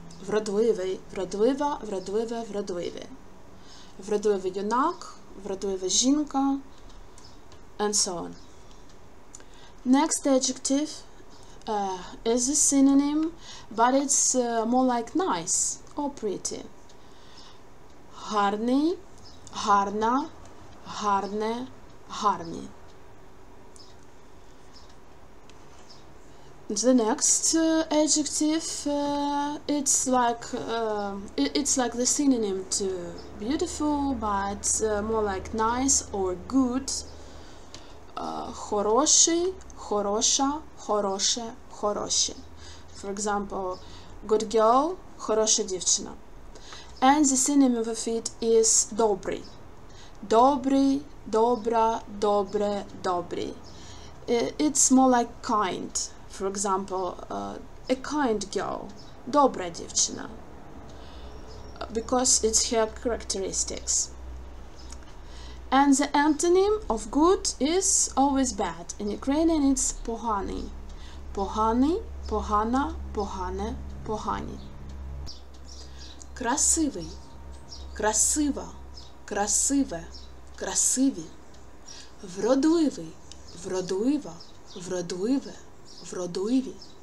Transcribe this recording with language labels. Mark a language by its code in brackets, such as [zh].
[uk] вродливий, вродлива, вродливе, вродливі. Вродливий юнак, вродлива жінка, [en] and so on. Next adjective is a synonym, but it's more like nice or pretty. [uk] Гарний, гарна, гарне, гарні. [en] The next adjective, it's like the synonym to beautiful, but more like nice or good. [uk] Хороший, хороша, хороше, хороші. [en] For example, good girl, [uk] хороша дівчина. [en] And the synonym of it is добрий. [uk] Добрий, добра, добре, добрий. [en] It's more like kind. For example, a kind girl, [uk] добра дівчина. [en] Because it's her characteristics. And the antonym of good is always bad. In Ukrainian it's поганий. [uk] Поганий, погана, погане, погані. Красивий, красива, красиве, красиві. Вродливий, вродлива, вродливе, вродливі.